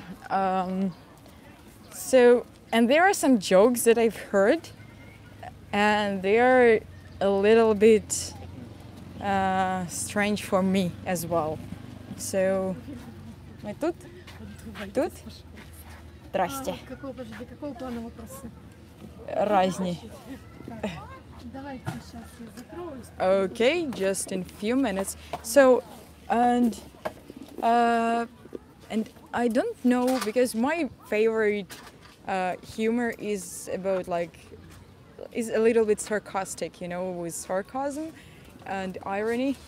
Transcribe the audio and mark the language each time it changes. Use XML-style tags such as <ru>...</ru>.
<en>So, and there are some jokes that I've heard, and they are a little bit strange for me as well.</en> <ru>So, мы тут? Тут? Здрасте. Какого, подожди, какого плана вопросы? Разни. Давайте сейчас я закроюсь.</ru> <en>Okay, just in few minutes. So, and I don't know, because my favorite humor is about, like, is a little bit sarcastic, you know, with sarcasm and irony.</en>